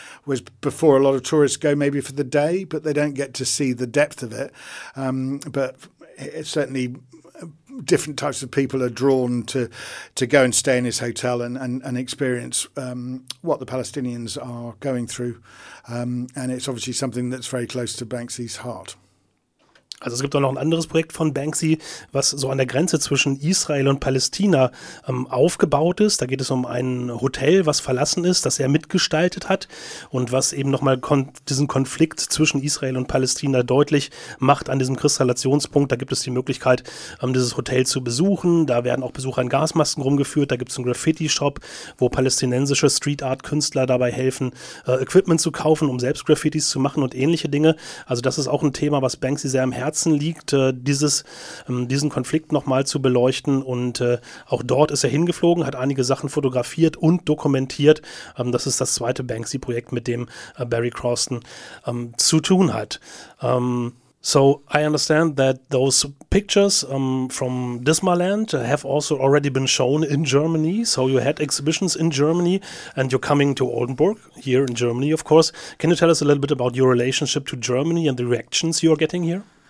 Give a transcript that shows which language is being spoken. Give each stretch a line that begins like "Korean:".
English: Was before a lot of tourists go maybe for the day, but they don't get to see the depth of it. But it's certainly different types of people are drawn to go and stay in his hotel and experience what the Palestinians are going through. And it's obviously something that's very close to Banksy's heart.
German: Also es gibt auch noch ein anderes Projekt von Banksy, was so an der Grenze zwischen Israel und Palästina aufgebaut ist. Da geht es um ein Hotel, was verlassen ist, das er mitgestaltet hat und was eben nochmal diesen Konflikt zwischen Israel und Palästina deutlich macht an diesem Kristallationspunkt. Da gibt es die Möglichkeit, dieses Hotel zu besuchen. Da werden auch Besucher in Gasmasken rumgeführt. Da gibt es einen Graffiti-Shop, wo palästinensische Street-Art-Künstler dabei helfen, Equipment zu kaufen, um selbst Graffitis zu machen und ähnliche Dinge. Also das ist auch ein Thema, was Banksy sehr im Herzen liegt, diesen Konflikt nochmal zu beleuchten, und auch dort ist er hingeflogen, hat einige Sachen fotografiert und dokumentiert. Das ist das zweite Banksy-Projekt, mit dem Barry Crosston zu tun hat.
English: So I understand that those pictures from Dismaland have also already been shown in Germany. So you had exhibitions in Germany, and you're coming to Oldenburg here in Germany, of course. Can you tell us a little bit about your relationship to Germany and the reactions you are getting here?